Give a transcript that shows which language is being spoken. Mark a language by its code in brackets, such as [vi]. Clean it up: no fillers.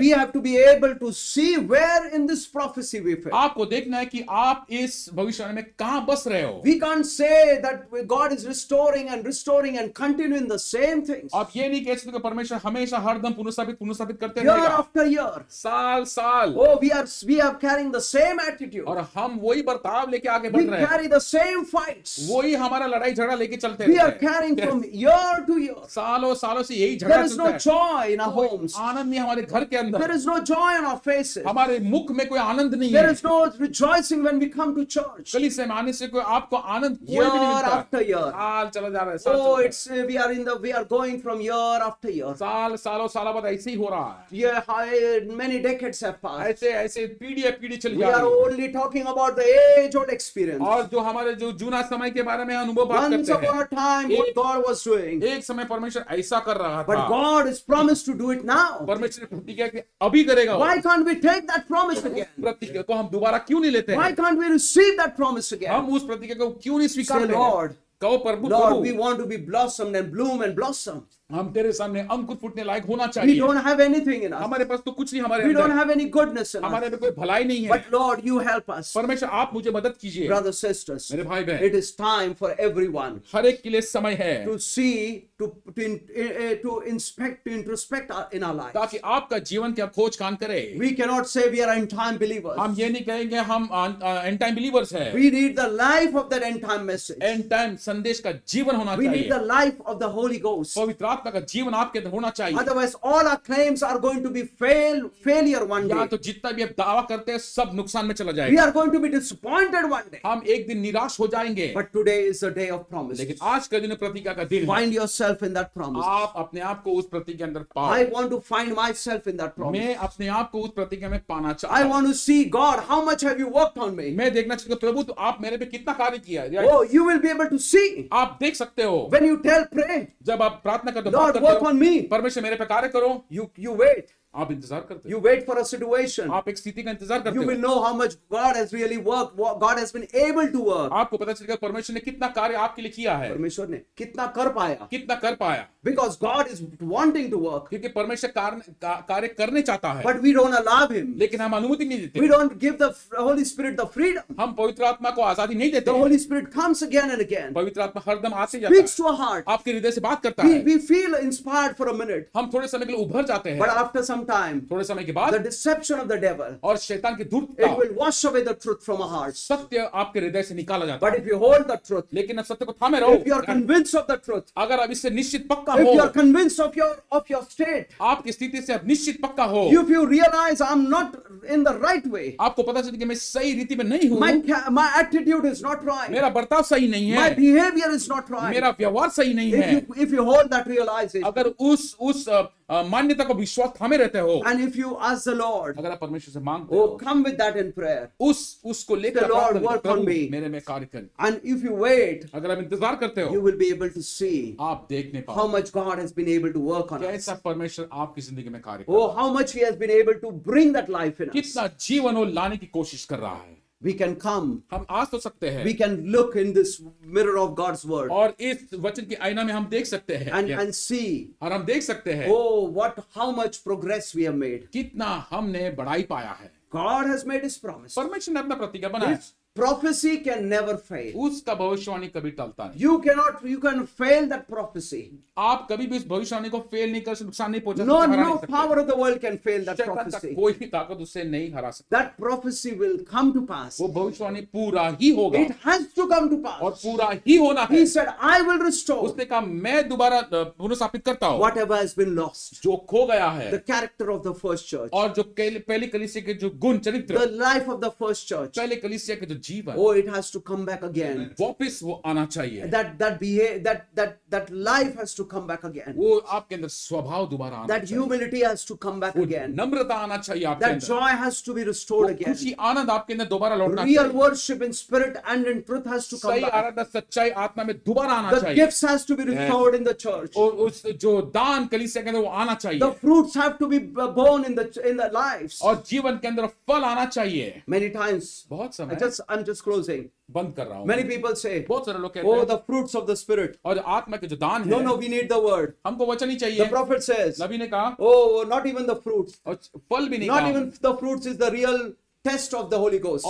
[en] We have to be able to see where in this prophecy we fit. [hi] आपको देखना है कि आप इस भविष्यवाणी में कहां बस रहे हो. [en] We can't say that God is restoring and continuing the same things. [hi] आप ये नहीं कह सकते कि परमेश्वर हमेशा हरदम पुनर्स्थापित करते रहेगा. [en] Year after year. [hi] साल. [en] Oh, we are carrying the same attitude. [hi] और हम वही बर्ताव लेके आगे बढ़ रहे हैं. [en] We carry the same fight. [hi] वही हमारा लड़ाई झगड़ा लेके चलते हैं. [en] We are carrying from year to year. [hi] सालों से यही झगड़ा चलता है. [en] There is no joy in our homes. [hi] आनंद नहीं हमारे घर के अंदर. [en] There is no joy on our faces. [hi] हमारे मुख में कोई आनंद नहीं है. [en] There is no rejoicing when we come to church. [hi] कलीसिया में आने से कोई आपको आनंद कोई भी नहीं मिलता. [en] Year after year. [hi] साल चला जा रहा है. [en] Oh, it's we are going from year after year. [hi] सालों बाद ऐसे ही हो रहा है. [en] Yeah, many decades have passed. [hi] ऐसे पीढ़ी चल रही है. [en] We are only talking about the age old experience. [hi] और जो हमारे जो समय के बारे में अनुभव बात करते हैं. एक समय परमेश्वर ऐसा कर रहा था. [en] But God has promised to do it now. [hi] परमेश्वर ने प्रतिज्ञा की अभी करेगा. [en] Why can't we take that promise again? [hi] प्रतिज्ञा को हम दोबारा क्यों नहीं लेते? [en] Why can't we receive that promise again? [hi] हम उस प्रतिज्ञा को क्यों नहीं स्वीकार करते? [en] Lord, [hi] कहो प्रभु, [en] Lord, we want to be blossomed and bloom and blossom. [hi] हम तेरे सामने अंकुर फूटने लायक होना चाहिए. [en] We don't have anything in us. [hi] हमारे पास तो कुछ नहीं हमारे [en] We [hi] अंदर. [en] Don't have any goodness in [hi] हमारे [en] us. [hi] कोई भलाई नहीं है. [en] But Lord, you help us. [hi] परमेश्वर आप मुझे मदद कीजिए. [en] Brothers, sisters, [hi] मेरे भाई बहन. [en] It is time for everyone. [hi] हर एक के लिए समय है. [en] To see, to inspect, to introspect in our lives. [hi] ताकि आपका जीवन क्या खोज कान करे. [en] We cannot say we are end time believers. [hi] हम ये नहीं कहेंगे हम [en] end time believers [hi] हैं. [en] We need the life of that end time message. [hi] End time संदेश का जीवन होना चाहिए. [en] We need the life of the Holy Ghost. [hi] पवित्र आत्मा आपका जीवन आपके अंदर होना चाहिए. Otherwise, all our claims are going to be failure one day. या तो जितना भी आप दावा करते हैं सब नुकसान में चला जाएगा. [en] We are going to be disappointed one day. [hi] हम एक दिन निराश हो जाएंगे. [en] But today is a day of promise. [hi] लेकिन आज का दिन प्रतिज्ञा का दिन. [en] Find yourself in that promise. [hi] आप अपने आप को उस प्रतिज्ञा के अंदर पाओ. [en] I want to find myself in that promise. [hi] मैं अपने आप को उस प्रतिज्ञा में पाना चाहता हूं. [en] I want to see God, how much have you worked on me? [hi] मैं देखना चाहता हूं प्रभु तो आप मेरे पे कितना कार्य किया है. [en] Oh, you will be able to see. [hi] आप देख सकते हो. [en] When you tell pray. [hi] जब आप प्रार्थना करते हो. [en] Lord, work on me. [hi] परमेश्वर मेरे पे कार्य करो. [en] You wait. [hi] आप इंतजार करते हो. [en] You wait for a situation. [hi] आप एक स्थिति का इंतजार करते हो. [en] You will know how much God has really worked. What God has been able to work. [hi] आपको पता चलेगा परमेश्वर ने कितना कार्य आपके लिए किया है. परमेश्वर ने कितना कर पाया. कितना कर पाया. [en] Because God is wanting to work. [hi] क्योंकि परमेश्वर कार्य करने चाहता है. [en] But we don't allow Him. [hi] लेकिन हम अनुमति नहीं देते. [en] We don't give the Holy Spirit the freedom. [hi] हम पवित्र आत्मा को आजादी नहीं देते. [en] The Holy Spirit comes again and again. [hi] पवित्र आत्मा हर दम आते जाता है. [en] Speaks to our heart. [hi] आपके हृदय से बात करता है. [en] We feel inspired for a minute. [hi] हम थोड़े समय के लिए उभर जाते हैं. [en] But after some time. [hi] थोड़े समय के बाद. [en] The deception of the devil. [hi] और शैतान की धूर्तता. [en] It will wash away the truth from our hearts. [hi] सत्य आपके हृदय से निकाला जाता है. [en] But if you hold the truth. [hi] लेकिन आप सत्य को थामे रहो. [en] If you are convinced of the truth. [hi] अगर आप इससे निश्चित [en] If you are convinced of your state, [hi] आपकी स्थिति से आप निश्चित पक्का हो. [en] If you realize I'm not in the right way, [hi] आपको पता चले कि मैं सही रीति में नहीं हूँ. [en] My attitude is not right. [hi] मेरा बर्ताव सही नहीं है. [en] My behavior is not right. [hi] मेरा व्यवहार सही नहीं है. [en] If you hold that realization, [hi] अगर उस मान्यता को विश्वास थामे रहते हो. [en] And if you ask the Lord, [hi] अगर आप परमेश्वर से मांगते हो, [en] come with that in prayer. [hi] उसको लेकर [en] Lord work on me. [hi] मेरे में कार्य कर. [en] And if you wait, [hi] अगर आप इंतजार करते हो, [en] you will be able to see. [hi] आप देखने पाओ. [en] How much God has been able to work on us. [hi] कैसा परमेश्वर आपकी जिंदगी में कार्य कर. [en] Oh, how much He has been able to bring that life in us. [hi] कितना जीवन वो लाने की कोशिश कर रहा है. [en] We can come. [hi] हम आ तो सकते हैं. [en] We can look in this mirror of God's word. [hi] और इस वचन के आईना में हम देख सकते हैं. [en] And see. [hi] और हम देख सकते हैं. [en] Oh, what how much progress we have made. [hi] कितना हमने बढ़ाई पाया है. [en] God has made His promise. [hi] परमेश्वर ने अपना प्रतिज्ञा बनाया. [en] His prophecy can never fail. [hi] उसका भविष्यवाणी कभी टलता नहीं. [en] You can fail that prophecy. [hi] आप कभी भी उस भविष्यवाणी को फेल नहीं कर सकते, नुकसान नहीं पहुंचा सकते. [en] No power of the world can fail that prophecy. [hi] कोई भी ताकत उसे नहीं हरा सकती. [en] That prophecy will come to pass. [hi] वो भविष्यवाणी पूरा ही होगा. [en] It has to come to pass. [hi] और पूरा ही होना है. [en] He said, I will restore. [hi] उसने कहा मैं दोबारा पुनर्स्थापित करता हूं. [en] Whatever has been lost. [hi] जो खो गया है. [en] The character of the first church. [hi] और जो पहली कलीसिया के जो गुण चरित्र. [en] The life of the first church. [hi] पहले कलीसिया के जो जीवन. [en] Oh, it has to come back again. [hi] वापिस वो आना चाहिए. [en] That life has to come back again. [hi] वो आपके अंदर स्वभाव दोबारा आना चाहिए. [en] That humility has to come back again. [hi] नम्रता आना चाहिए आपके अंदर. [en] That joy has to be restored again. [hi] खुशी आनंद आपके अंदर दोबारा लौटना चाहिए. [en] Real worship in spirit and in truth has to come back. [hi] सही आराधना सच्चाई आत्मा में दोबारा आना चाहिए. [en] The gifts has to be restored in the church. [hi] और उस जो दान कलीसिया के अंदर वो आना चाहिए. [en] The fruits have to be born in the lives. [hi] और जीवन के अंदर फल आना चाहिए. [en] Many times. [hi] बहुत समय. [en] I'm just closing. [hi] बंद कर रहा हूं. [en] Many people say, [hi] बहुत सारे लोग कहते हैं, [en] the fruits of the spirit. [hi] और आत्मा के जो दान है. [en] No, we need the word. [hi] हमको वचन ही चाहिए. [en] The prophet says, [hi] नबी ने कहा, [en] not even the fruits. [hi] और फल भी नहीं. [en] Not even the fruits is the real test of the Holy Ghost.